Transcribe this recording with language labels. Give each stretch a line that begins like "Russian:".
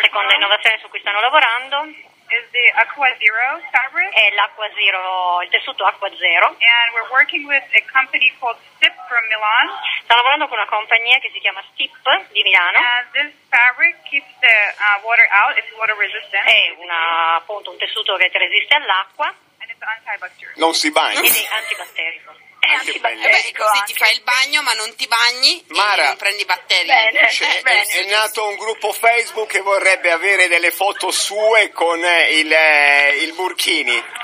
Italian: seconda innovazione su cui stanno lavorando
English: is the Aqua Zero fabric.
Italian: È l'Aqua Zero, il tessuto Aqua Zero.
English: And we're working with a company called Stip from Milan.
Italian: Stiamo lavorando con una compagnia che si chiama Stip di Milano.
English: And this fabric keeps the water out, it's water resistant.
Italian: È appunto un tessuto che resiste all'acqua.
English: And it's antibacterial.
Italian: Non si bagna. Ed è antibatterico. Antibatterico. Così ti fai il bagno ma non ti bagni, Mara, e non prendi batteri. È nato un gruppo Facebook che vorrebbe avere delle foto sue con il burkini.